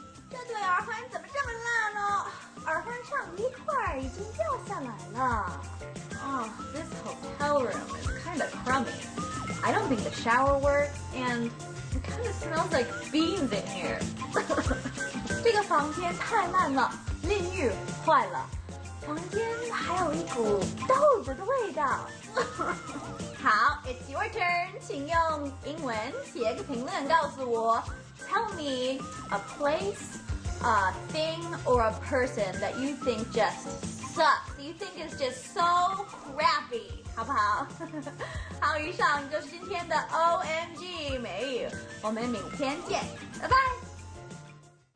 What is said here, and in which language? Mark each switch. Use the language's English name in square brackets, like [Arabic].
[Chinese] 这对耳环怎么这么烂哦？耳环上一块已经掉下来了。 [English] Oh, this hotel room is kind of crummy. I don't think the shower works, and it kind of smells like beans in here. [Chinese] 这个房间太烂了，淋浴坏了。房间还有一股豆子的味道好 [English] it's your turn [Chinese] 请用英文写个评论告诉我 [English] tell me a place a thing or a person that you think just sucks you think is just so crappy [Chinese] 好不好好以上就是今天的 OMG 美语我们明天见拜拜